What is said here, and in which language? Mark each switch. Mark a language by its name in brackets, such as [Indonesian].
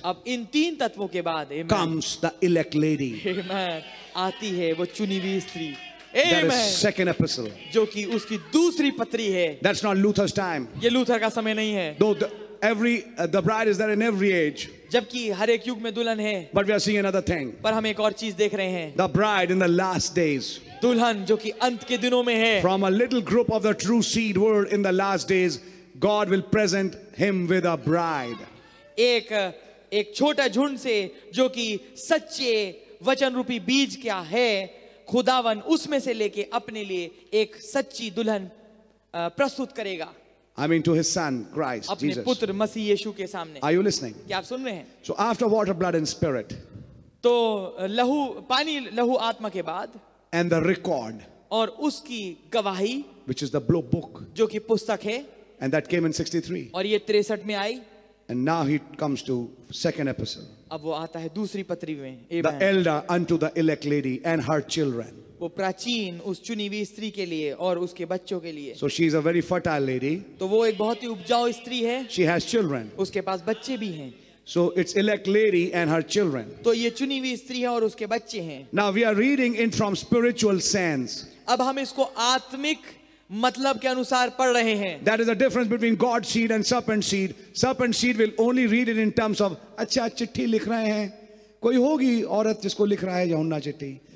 [Hindi] अब इन तीन तत्वों के बाद, amen, [English] comes the elect lady. Amen. [Hindi] आती है वो चुनी हुई स्त्री. [English] That is second epistle. [Hindi] जो कि उसकी दूसरी पत्री है. [English] That's not Luther's time. [Hindi] ये लूथर का समय नहीं है. [English] Though the bride is there in every age. [Hindi] जबकि हर एक युग में दुल्हन है. [English] But we are seeing another thing. [Hindi] पर हम एक और चीज देख रहे हैं. [English] The bride in the last days. [Hindi] दुल्हन जो कि अंत के दिनों में है. [English] From a little group of the true seed word in the last days. God will present him with a bride. [Hindi] एक छोटा झुंड से जो कि सच्चे वचन रूपी बीज क्या है खुदावन उसमें से लेके अपने लिए एक सच्ची दुल्हन प्रस्तुत करेगा. [English] I mean to his son, Christ, [Hindi] अपने [English] Jesus. [Hindi] पुत्र मसीह यीशु के सामने. [English] Are you listening? [Hindi] क्या आप सुन रहे हैं? [English] So after water, blood and spirit. [Hindi] तो लहू पानी लहू आत्मा के बाद. [English] And the record. [Hindi] और उसकी गवाही. [English] Which is the blue book. [Hindi] जो कि पुस्तक है. [English] And that came in 63. [Hindi] और ये 63 में आई. [English] And now he comes to second epistle. [Hindi] अब वो आता है दूसरी पत्री में. [English] The elder unto the elect lady and her children. [Hindi] वो प्राचीन उस चुनी हुई स्त्री के लिए और उसके बच्चों के लिए. [English] So she is a very fertile lady. [Hindi] तो वो एक बहुत ही उपजाऊ स्त्री है. [English] She has children. [Hindi] उसके पास बच्चे भी हैं. [English] So it's elect lady and her children. [Hindi] तो ये चुनी हुई स्त्री है और उसके बच्चे हैं. [English] Now we are reading in from spiritual sense. [Hindi] अब हम इसको आत्मिक मतलब के अनुसार पढ़ रहे हैं. [English] That is the difference between God's seed and serpent seed. Serpent seed will only read it in terms of [Hindi] अच्छा चिट्ठी लिख रहे हैं कोई होगी औरत जिसको लिख रहा है यूहन्ना चिट्ठी.